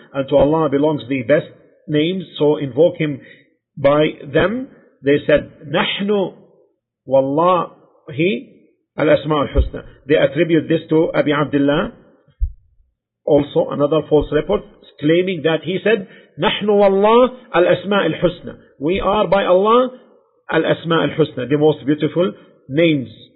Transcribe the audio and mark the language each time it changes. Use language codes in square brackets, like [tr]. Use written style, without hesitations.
[en] And to Allah belongs the best names, so invoke Him by them. They said, [ar] نَحْنُ وَاللَّهِ الْأَسْمَاءُ الْحُسْنَى. [en] They attribute this to Abi Abdullah, also another false report, claiming that he said, [ar] نَحْنُ وَاللَّهِ الْأَسْمَاءِ الْحُسْنَى. [en] We are by Allah [ar] الْأَسْمَاءِ الْحُسْنَى, [en] the most beautiful names.